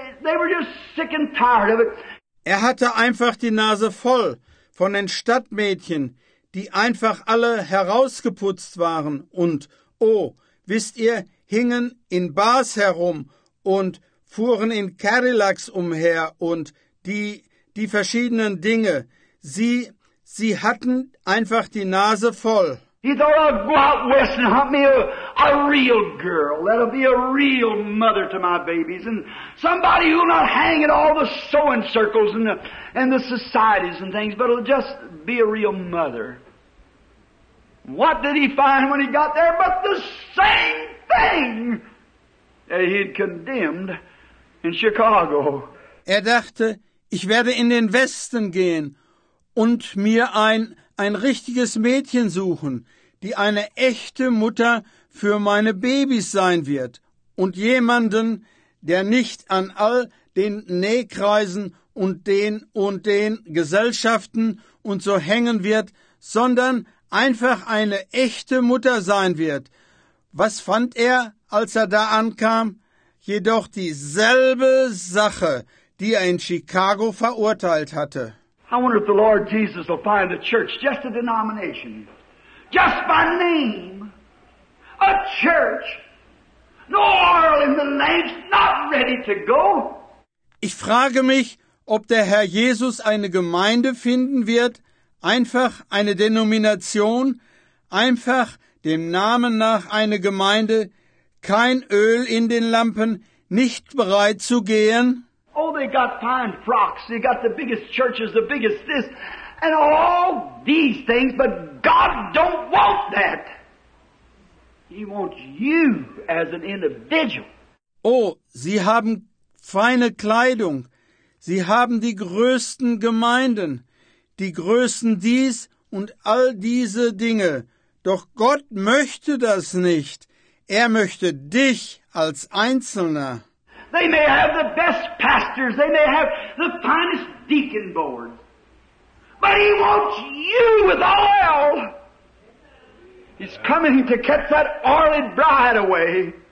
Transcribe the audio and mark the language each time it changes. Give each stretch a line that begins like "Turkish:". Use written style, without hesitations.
English: They were just sick and tired of it.
German: Er hatte einfach die Nase voll von den Stadtmädchen, die einfach alle herausgeputzt waren und, oh, wisst ihr, hingen in Bars herum und fuhren in Cadillacs umher und die verschiedenen Dinge. Sie hatten einfach die Nase voll.
English: He thought, I'll go out west and hunt me a real girl. That'll be a real mother to my babies. And somebody who'll not hang in all the sewing circles and the societies and things, but'll just be a real mother. What did he find when he got there but the same thing that he had condemned in Chicago?
German: Er dachte, ich werde in den Westen gehen und mir ein richtiges Mädchen suchen, die eine echte Mutter für meine Babys sein wird und jemanden, der nicht an all den Nähkreisen und den Gesellschaften und so hängen wird, sondern einfach eine echte Mutter sein wird. Was fand er, als er da ankam? Jedoch dieselbe Sache, die er in Chicago verurteilt hatte.
English: I wonder if the Lord Jesus will find a church, just a denomination, just by name, a church, no oil in the lamps, not ready to go.
German: Ich frage mich, ob der Herr Jesus eine Gemeinde finden wird, einfach eine Denomination, einfach dem Namen nach eine Gemeinde, kein Öl in den Lampen, nicht bereit zu gehen?
English: Oh, they got fine frocks, they got the biggest churches, the biggest this, and all these things, but God don't want that. He wants you as an individual.
German: Oh, sie haben feine Kleidung, sie haben die größten Gemeinden, die größten dies und all diese Dinge. Doch Gott möchte das nicht. Er möchte dich als Einzelner.
English: They may have the best pastors, they may have the finest deacon board, but he wants you with oil. He's coming to catch that oily bride away.